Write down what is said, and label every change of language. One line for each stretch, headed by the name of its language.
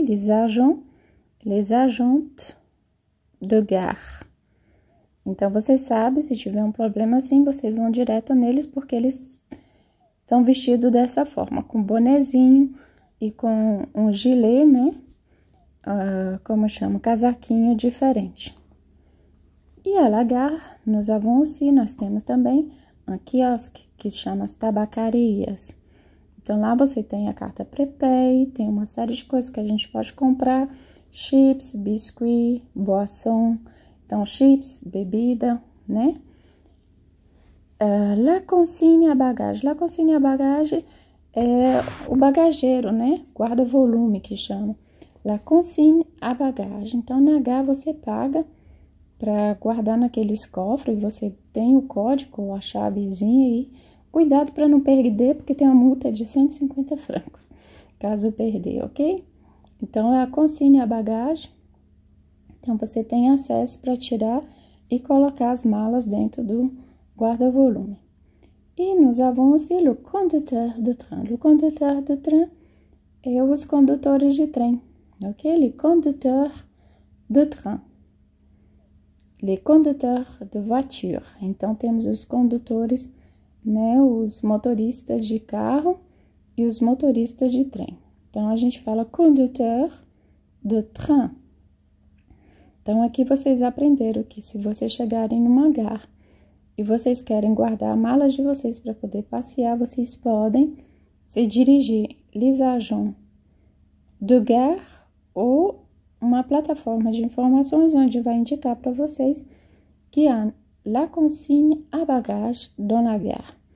French: Les agentes de gare.
Portuguese: Então, vocês sabem, se tiver um problema assim, vocês vão direto neles porque eles estão vestidos dessa forma, com bonezinho e com um gilet, né? Como chama? Casaquinho diferente.
French: Et à la gare, nous avons aussi, nous avons aussi un kiosque qui s'appelle Tabacarias.
Portuguese: Então lá você tem a carta prepay, tem uma série de coisas que a gente pode comprar, chips, biscuit, boisson, então chips, bebida, né?
French: La consigne à bagage. La consigne à bagage
Portuguese: é o bagageiro, né? Guarda-volume que chama.
French: La consigne à bagage.
Portuguese: Então na H você paga para guardar naqueles cofres, você tem o código, a chavezinha aí. Cuidado para não perder, porque tem uma multa de 150 francos, caso perder, ok? Então, é a consigne à bagage. Então, você tem acesso para tirar e colocar as malas dentro do guarda-volume. E nós temos o conducteur de train. O conducteur de train é os condutores de trem, ok?
French: Le conducteur de train. Le conducteur de voiture.
Portuguese: Então, temos os condutores, né, os motoristas de carro e os motoristas de trem. Então, a gente fala conducteur de train. Então, aqui vocês aprenderam que se vocês chegarem numa gare e vocês querem guardar malas de vocês para poder passear, vocês podem se dirigir les agents de gare ou uma plataforma de informações onde vai indicar para vocês que há
French: la consigne à bagage dans la gare.